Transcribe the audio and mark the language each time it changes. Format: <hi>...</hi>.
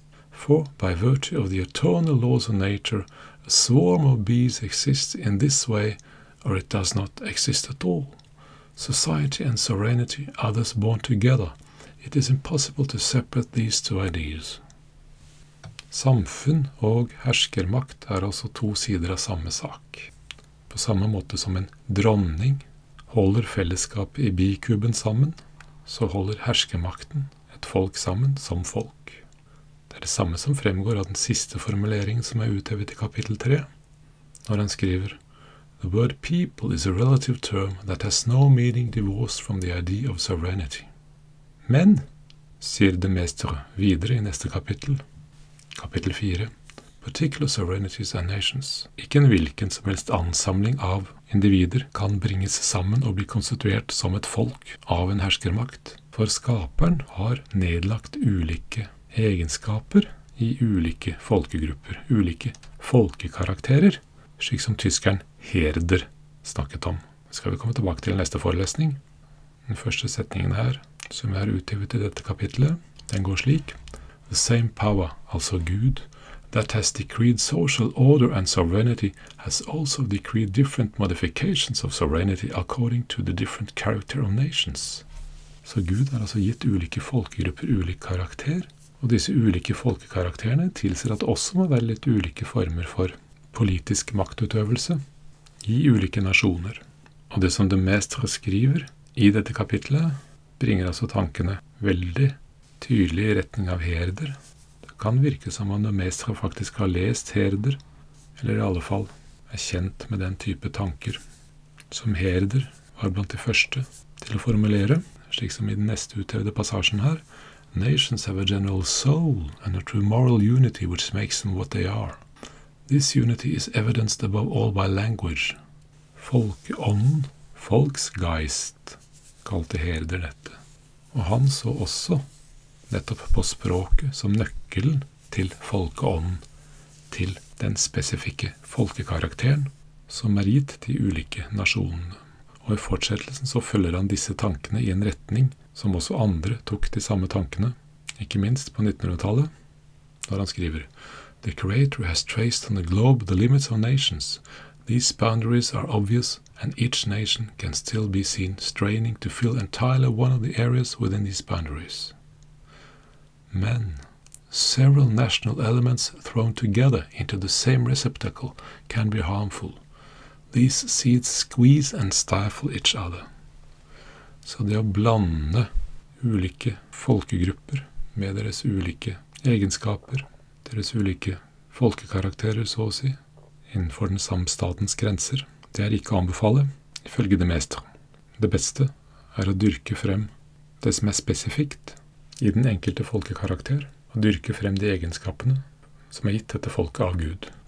<en>For, by virtue of the eternal laws of nature, a swarm of bees exists in this way, or it does not exist at all. Society and sovereignty are thus born together. It is impossible to separate these two ideas.</en> <no>Samfunn og herskermakt er altså to sider av samme sak. På samme måte som en dronning holder fellesskapet i bikuben sammen, så holder herskermakten et folk sammen som folk. Det er det samme som fremgår av den siste formuleringen som er uthevet i kapittel 3, når han skriver</no> <en>The word people is a relative term that has no meaning divorced from the idea of sovereignty.</en> <no>Men, sier de Maistre videre i neste kapittel, kapittel 4,</no> <en>particular sovereignties and nations,</en> <no>ikke en hvilken som helst ansamling av individer kan bringes sammen og bli konstituert som et folk av en herskermakt, for skaperen har nedlagt ulike egenskaper i ulike folkegrupper, ulike folkekarakterer, slik som tyskeren Herder snakket om. Det skal vi komme tilbake til i neste forelesning. Den første setningen her, som er utgivet i dette kapitlet, den går slik.</no> <en>The same power,</en> <no>altså Gud,</no> <en>that has decreed social order and sovereignty, has also decreed different modifications of sovereignty according to the different character of nations.</en> <no>Så Gud har altså gitt ulike folkegrupper ulik karakter, og disse ulike folkekarakterene tilser at det også må være litt ulike former for politisk maktutøvelse i ulike nasjoner. Og det som de Maistre skriver i dette kapitlet, bringer altså tankene veldig tydelig i retning av Herder. Det kan virke som om de Maistre faktisk har lest Herder, eller i alle fall er kjent med den type tanker som Herder var blant de første til å formulere, slik som i den neste uthevde passasjen her.</no> <en>Nations have a general soul and a true moral unity which makes them what they are. This unity is evidenced above all by language.</en> <no>Folkeånden, folksgeist, kalte Herder dette. Og han så også nettopp på språket som nøkkelen til folkeånden, til den spesifikke folkekarakteren som er gitt til ulike nasjonene. Og i fortsettelsen så følger han disse tankene i en retning som også andre tok de samme tankene, ikke minst på 1900-tallet, når han skriver</no> <en>The Creator has traced on the globe the limits of nations. These boundaries are obvious, and each nation can still be seen straining to fill entirely one of the areas within these boundaries. Men, several national elements thrown together into the same receptacle can be harmful. These seeds squeeze and stifle each other.</en> <no>Så det å blande ulike folkegrupper med deres ulike egenskaper, deres ulike folkekarakterer, så å si, innenfor den samme statens grenser, det er ikke å anbefale, ifølge de Maistre. Det beste er å dyrke frem det som er spesifikt i den enkelte folkekarakter, og dyrke frem de egenskapene som er gitt dette folket av Gud.</no>